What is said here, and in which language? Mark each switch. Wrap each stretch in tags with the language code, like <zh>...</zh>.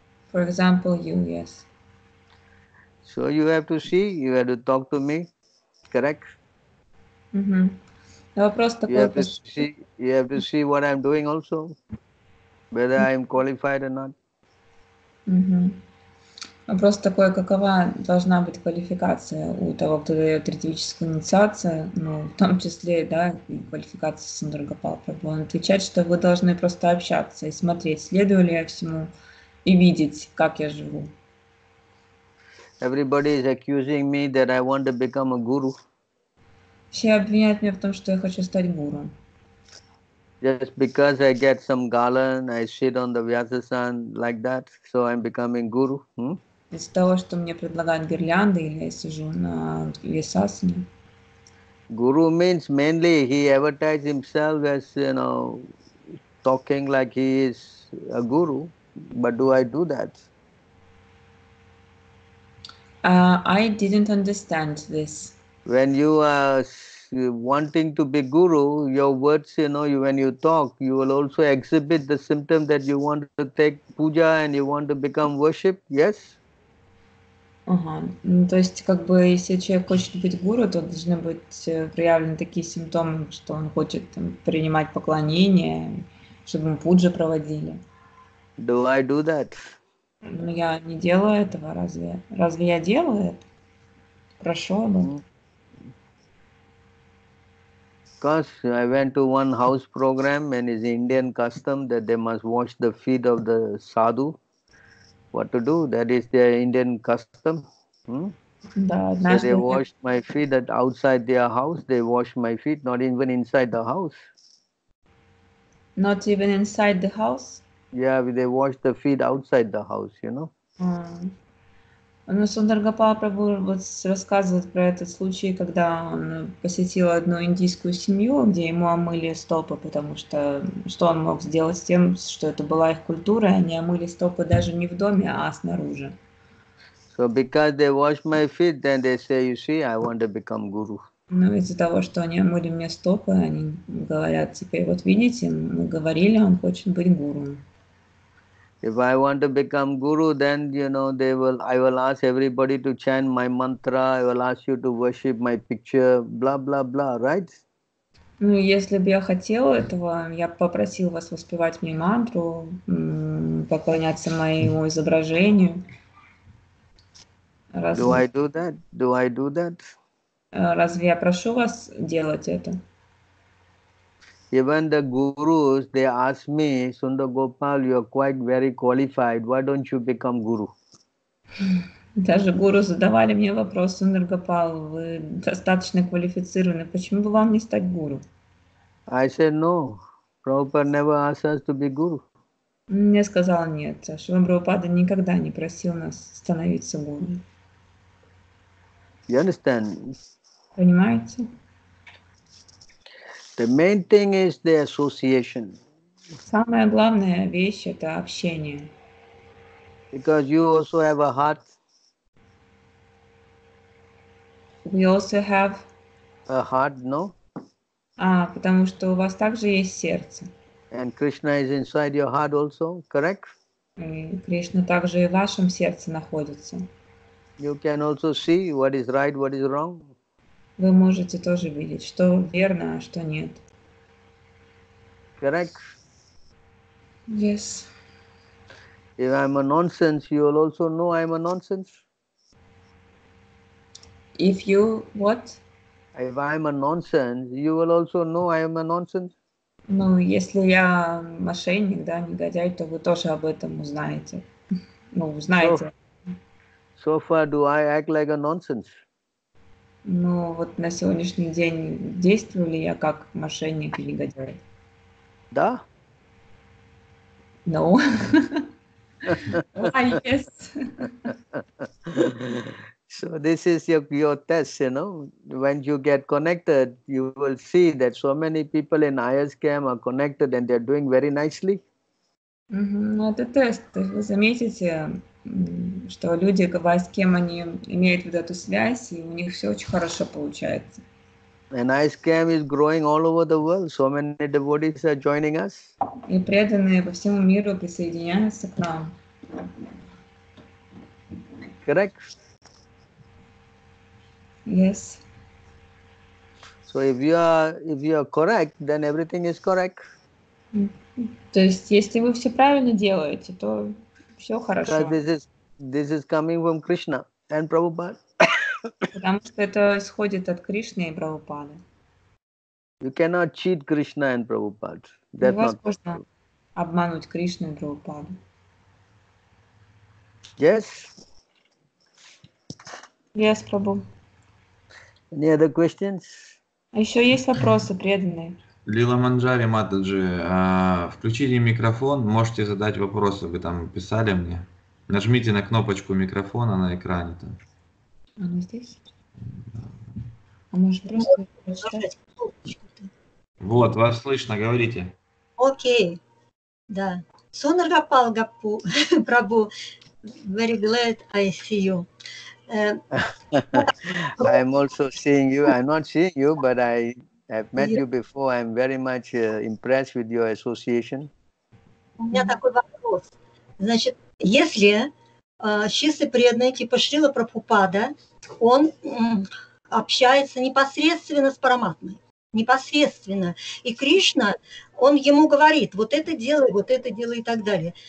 <en>For example, you, yes. So you have to see, you have to talk to me, correct?</en> <ru>Mm-hmm. Вопрос такой.</ru> <en>You have to see. You have to see what I'm doing also, whether I'm qualified or not. Mm-hmm.</en> <ru>Вопрос такой, какова должна быть квалификация у того, кто дает ретивическую инициацию, ну, в том числе, да, и квалификация Сандарга Палпрабху. Он отвечает, что вы должны просто общаться и смотреть, следую ли я всему, и видеть, как я живу.</ru> <en>Everybody is accusing me that I want to become a guru.</en> <ru>Все обвиняют меня в том, что я хочу стать гуру.</ru> <en>Just because I get some garland, I sit on the Vyasasan like that, so I'm becoming guru.</en> <ru>Из-за того, что мне предлагают гирлянды, или я сижу на Вьясасане.</ru> <en>Guru means mainly he advertises himself as, you know, talking like he is a guru, but do I do that? I didn't understand this. When you are wanting to be guru, your words, you know, you, when you talk, you will also exhibit the symptom that you want to take puja and you want to become worship, yes?</en> <ru>Ну, то есть, как бы, если человек хочет быть гуру, то должны быть проявлены такие симптомы, что он хочет там, принимать поклонение, чтобы мы пуджа проводили.</ru> <en>Do I do that?</en> <ru>Но я не делаю этого, разве? Разве я делаю это? Прошу, да.</ru> <en>Because I went to one house program and it's Indian custom that they must wash the feet of the sadhu. What to do? That is their Indian custom.</en> <ru>Да,</ru> <en>so they wash my feet at outside their house, they wash my feet, not even inside the house. Not even inside the house? Yeah, they wash the feet outside the house, you know.</en> <ru>Но Сундар Гопал Прабху вот рассказывает про этот случай, когда он посетил одну индийскую семью, где ему омыли стопы, потому что что он мог сделать с тем, что это была их культура, и они омыли стопы даже не в доме, а снаружи.</ru> <en>So because they wash my feet, then they say, you see, I want to become guru.</en> <ru>Ну, из-за того, что они омыли мне стопы, они говорят, теперь вот видите, мы говорили, он хочет быть гуру.</ru> <en>If I want to become guru, then, you know, they will, I will ask everybody to chant my mantra, I will ask you to worship my picture, blah, blah, blah, right?</en> <ru>Ну, если бы я хотела этого, я попросил вас воспевать мне мантру, поклоняться моему изображению. Разве...</ru> <en>Do I do that? Do I do that?</en> <ru>Разве я прошу вас делать это?</ru> <en>Even the gurus, they ask me, Sundar Gopal, you are quite very qualified, why don't you become guru?</en> <ru>Даже гуру задавали мне вопрос, Сундар Гопал, вы достаточно квалифицированы, почему бы вам не стать гуру?</ru> <en>I said, no, Prabhupada never asked us to be guru.</en> <ru>Мне сказал нет, Шрила Прабхупада никогда не просил нас становиться гуру.</ru> <en>You understand?</en> <ru>Понимаете?</ru> <en>The main thing is the association.</en> <ru>Самая главная вещь это общение.</ru> <en>Because you also have a heart. We also have a heart, no?</en> <ru>А, потому что у вас также есть сердце.</ru> <en>And Krishna is inside your heart also, correct?</en> <ru>Кришна также и в вашем сердце находится.</ru> <en>You can also see what is right, what is wrong.</en> <ru>Вы можете тоже видеть, что верно, а что нет.</ru> <en>Correct? Yes. If I'm a nonsense, you will also know I'm a nonsense. If you what? If I'm a nonsense, you will also know I am a nonsense.</en> <ru>Ну, если я мошенник, да, негодяй, то вы тоже об этом узнаете. Ну, узнаете.</ru> <en>So far, do I act like a nonsense?</en> <ru>Ну, вот на сегодняшний день действую ли я как мошенник или негодяй? Да?</ru> <en>No. Why, yes. So this is your test, you know. When you get connected, you will see that so many people in ISKM are connected and they are doing very nicely.</en> <ru>Ну, это тест. Вы заметите, что люди, с кем они имеют вот эту связь, и у них все очень хорошо получается.</ru> <en>And ISKCON is growing all over the world. So many devotees are joining us.</en> <ru>И преданные по всему миру присоединяются к нам.</ru> <en>Correct? Yes. So if you are correct, then everything is correct.</en> <ru>То есть, если вы все правильно делаете, то все хорошо.</ru> <en>Because this is coming from Krishna and Prabhupada.</en> <ru>Потому что это исходит от Кришны и Прабхупады.</ru> <en>You cannot cheat Krishna and Prabhupada. That's not true.</en> <ru>Невозможно обмануть Кришну и Прабхупаду.</ru> <en>Yes. Yes, Prabhu. Any other questions?</en> <ru>Еще есть вопросы преданные. Лила Манджари Матаджи, включите микрофон, можете задать вопросы, вы там писали мне. Нажмите на кнопочку микрофона на экране там. Она здесь? А может просто прочитать? Вот, вас слышно, говорите. Окей, да.</ru> <en>Сонаргапал Гаппу, Прабу, very glad I see you. I'm also seeing you. I'm not seeing you, but I have met you before. I'm very much impressed with your association.</en> <ru>У меня такой вопрос. Значит, если чистый преданный типа Шрила Прабхупада, он общается непосредственно с Параматмой, непосредственно. И Кришна, он ему говорит, вот это делай и так далее.</ru>